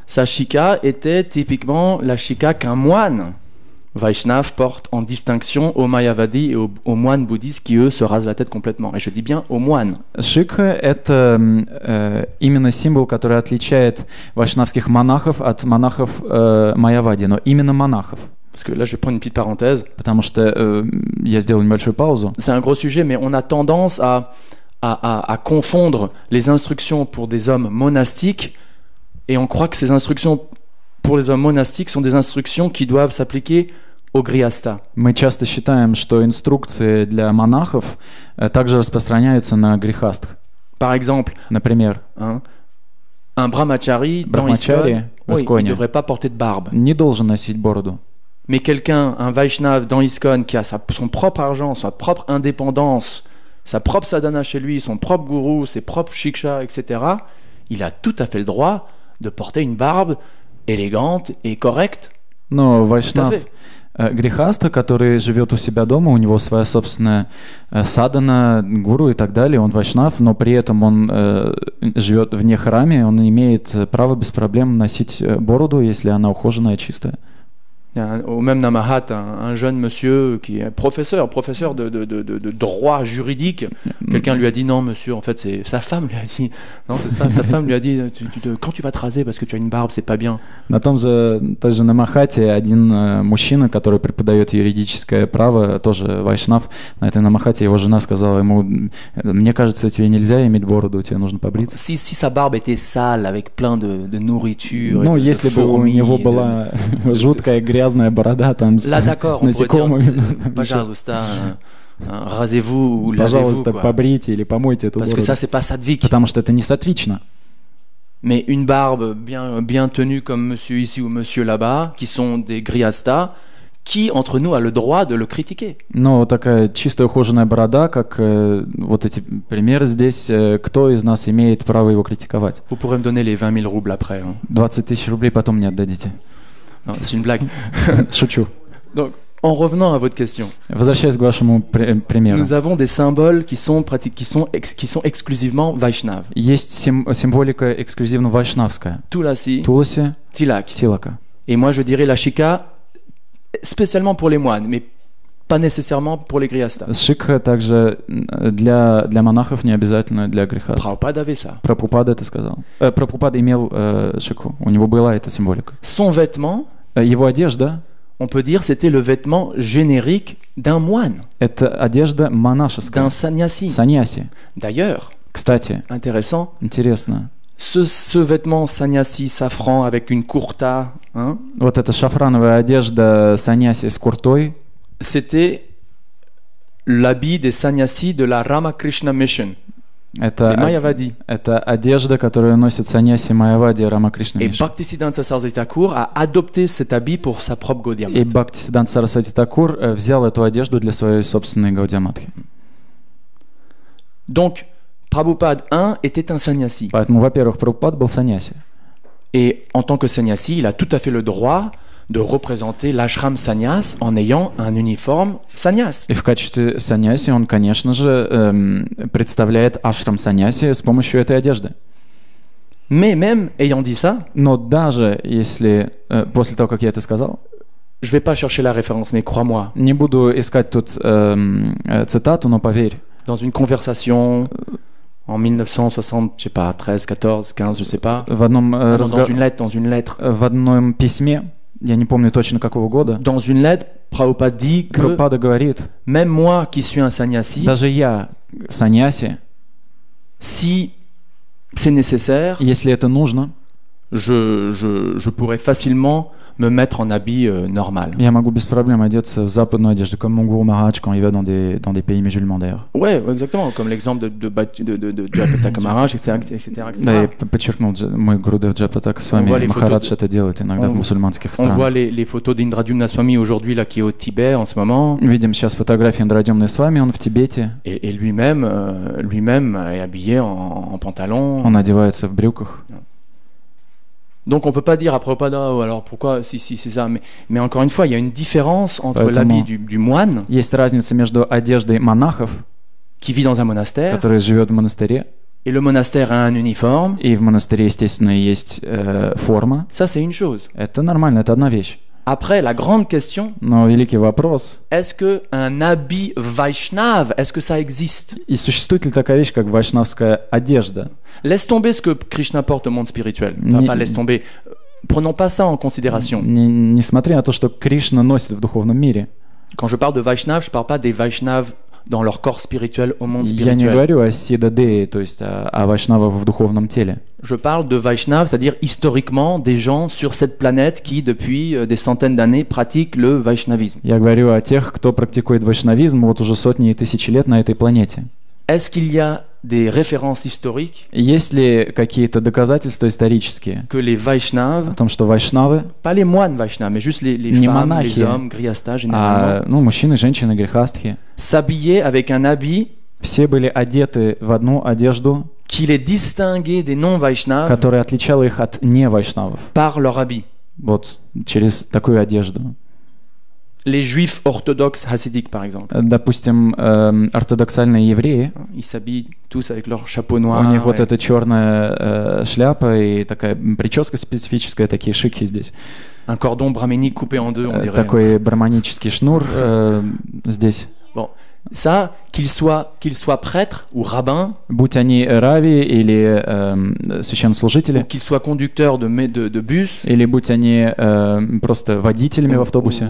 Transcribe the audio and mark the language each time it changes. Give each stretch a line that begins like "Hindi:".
French: Sa shika était typiquement la shika qu'un moine Vaishnav porte en distinction aux Mayavadi et aux moines bouddhistes qui eux se rasent la tête complètement. Et je dis bien aux moines.
Russian: Шика — это именно символ, который отличает вайшнавских монахов от монахов Майявади, но именно монахов.
French: Parce que là, je vais prendre une petite parenthèse.
Russian: Потому что я сделал небольшую паузу.
French: C'est un gros sujet, mais on a tendance à confondre les instructions pour des hommes monastiques. Et on croit que ces instructions pour les hommes monastiques sont des instructions qui doivent s'appliquer au grihastha.
Russian: Мы часто считаем, что инструкции для монахов также распространяются на грихастх.
French: Par exemple,
Russian: например,
French: un brahmachari dans l'Искон, ne devrait pas porter de barbe.
Russian: Не должен носить бороду.
French: Mais quelqu'un, un Vaishnav dans l'Искон, qui a son propre argent, sa propre indépendance, sa propre sadhana chez lui, son propre guru, ses propres shiksha, etc., il a tout à fait le droit de porter une barbe élégante et correcte.
Russian: Но вайшнав грихаста, который живет у себя дома, у него своя собственная садана, гуру и так далее, он вайшнав, но при этом он живет вне храме, он имеет право без проблем носить бороду, если она ухоженная, чистая.
French: Au même Namahat, un jeune monsieur qui est professeur de droit juridique, quelqu'un lui a dit non monsieur, en fait c'est sa femme lui a dit non c'est ça, sa femme lui a dit quand tu vas te raser parce que tu as une barbe c'est pas bien.
Russian: На том же также Намахате один мужчина, который преподает юридическое право, тоже вайшнав, на этой Намахате его жена сказала ему, мне кажется тебе нельзя иметь бороду, тебе нужно побриться.
French: Si sa barbe était sale avec plein de nourriture.
Russian: Ну если бы у него была жуткая грязная борода там с насекомыми. Пожалуйста, разевую, пожалуйста, побрите или помойте эту бороду.
French: Parce que ça, c'est pas sattvic.
Russian: Потому что это не сатвично.
French: Mais une barbe bien tenue comme monsieur ici ou monsieur là-bas, qui sont des grihastha, qui entre nous a le droit de le critiquer?
Russian: Но такая чистая ухоженная борода, как вот эти примеры здесь, кто из нас имеет право его критиковать?
French: Vous pourrez me donner les 20 000 roubles après.
Russian: 20 000 рублей потом мне отдадите.
French: Non, c'est une blague.
Russian: Шучу.
French: Donc, en revenant à votre question.
Russian: Возвращаясь к вашему примеру.
French: Nous avons des symboles qui sont exclusivement Vaishnav.
Russian: Есть символика эксклюзивно вайшнавская. Туласи. Туласи. Тилак. Тилака.
French: Et moi, je dirais la shika, spécialement pour les moines, mais pas nécessairement pour les grihastas.
Russian: Шикха также для, для монахов не обязательно для грихастов.
French: Прабхупада avait ça.
Russian: Прабхупада это сказал. Прабхупада имел шикху. У него была эта символика.
French: Son vêtement,
Russian: его одежда,
French: on peut dire, c'était le vêtement générique d'un moine.
Russian: Это одежда монашеская.
French: D'un sannyasi.
Russian: Sannyasi.
French: D'ailleurs,
Russian: кстати,
French: intéressant.
Russian: Интересно.
French: Ce vêtement sannyasi safran avec une kurta, hein?
Russian: Вот эта шафрановая одежда саньяси с куртой.
French: C'était l'habit des sannyasi de la Ramakrishna Mission.
Russian: Это,
French: des Mayavadi.
Russian: Это одежда, которую носят саньяси Майавади и Рамакришна
French: Мишн. Et Bhaktisiddhanta Saraswati Thakur a adopté cet habit pour sa propre Gaudiya
Russian: Math. Et Bhaktisiddhanta Saraswati Thakur взял эту одежду для своей собственной Gaudiya Math.
French: Donc Prabhupada 1 était un sannyasi.
Russian: Поэтому, во-первых, Прабхупада был саньяси.
French: Et en tant que sannyasi, il a tout à fait le droit de représenter l'ashram sannyas en ayant un uniforme sannyas.
Russian: И в качестве саньяси он, конечно же, представляет ашрам саньяси с помощью этой одежды.
French: Mais même ayant dit ça,
Russian: но даже если после того, как я это сказал,
French: je vais pas chercher la référence, mais crois-moi.
Russian: Не буду искать тут цитату, но поверь.
French: Dans une conversation en 1960, je sais pas, 13, 14, 15, je sais pas.
Russian: В одном,
French: dans une lettre.
Russian: В одном письме, я не помню точно какого года.
French: Dans une lettre, Prabhupada dit que
Russian: Prabhupada говорит,
French: même moi qui suis un sannyasi,
Russian: даже я саньяси,
French: si c'est nécessaire,
Russian: если это нужно,
French: je pourrais facilement me mettre en habit normal.
Russian: Я могу без проблем одеться в западную одежду,
French: comme mon guru Maharaj quand il va dans des pays musulmans d'ailleurs. Ouais, exactement, comme l'exemple de Jayaprataka Maharaj, etc.
Russian: Да, я подчеркнул, мой гуру Джайапратака Свами, Махарадж это делает иногда в мусульманских странах.
French: On voit les photos d'Indradyumna Swami aujourd'hui là qui est au Tibet en ce moment.
Russian: Видим сейчас фотографии Индрадюмны Свами, он в Тибете.
French: Et lui-même est habillé en pantalon.
Russian: Он одевается в брюках.
French: Donc on peut pas dire à Prabhupada, oh, alors pourquoi si c'est ça, mais encore une fois il y a une différence entre
Russian: поэтому
French: l'habit du moine.
Russian: Есть разница между одеждой монахов,
French: qui vit dans un monastère,
Russian: который живет в монастыре,
French: et le monastère a un uniforme.
Russian: И в монастыре, естественно, есть форма.
French: Ça c'est une chose.
Russian: Это нормально, это одна вещь.
French: Après la grande question.
Russian: Но великий вопрос.
French: Est-ce que un habit vaishnav, est-ce que ça existe?
Russian: И существует ли такая вещь, как вайшнавская одежда?
French: Laisse tomber ce que Krishna porte au monde spirituel. Pas laisse tomber. Prenons pas ça en considération.
Russian: Не смотри на то, что Кришна носит в духовном мире.
French: Quand je parle de vaishnav, je parle pas des vaishnav dans leur corps spirituel au monde spirituel.
Russian: Я не говорю о сидадее, то есть о вайшнавах в духовном теле.
French: Je parle de vaishnav, c'est-à-dire historiquement des gens sur cette planète qui depuis des centaines d'années pratiquent le vaishnavisme.
Russian: Я говорю о тех, кто практикует вайшнавизм вот уже сотни и тысячи лет на этой планете.
French: Est-ce qu'il y a des références historiques?
Russian: Есть ли какие-то доказательства исторические?
French: Que les vaishnav,
Russian: о том, что вайшнавы,
French: pas les moines vaishnav, mais juste les femmes,
Russian: monахи,
French: les hommes, грихаста,
Russian: ну, мужчины, женщины, грихастхи.
French: S'habiller avec un habit,
Russian: все были одеты в одну одежду,
French: qui les distinguait des non-vaishnav,
Russian: которая отличала их от невайшнавов.
French: Par leur habit.
Russian: Вот, через такую одежду.
French: Les juifs orthodoxes hasidiques, par exemple.
Russian: Допустим, ортодоксальные евреи.
French: Ils s'habillent tous avec leur chapeau noir.
Russian: У них вот эта черная шляпа и такая прическа специфическая, такие шики здесь.
French: Un cordon brahménique coupé en deux, on dirait.
Russian: Такой брахманический шнур здесь.
French: Bon. Ça, qu'ils soient prêtres ou rabbins,
Russian: будь они рави или священнослужители,
French: ou qu'ils soient conducteurs de bus,
Russian: или будь они просто водителями в автобусе,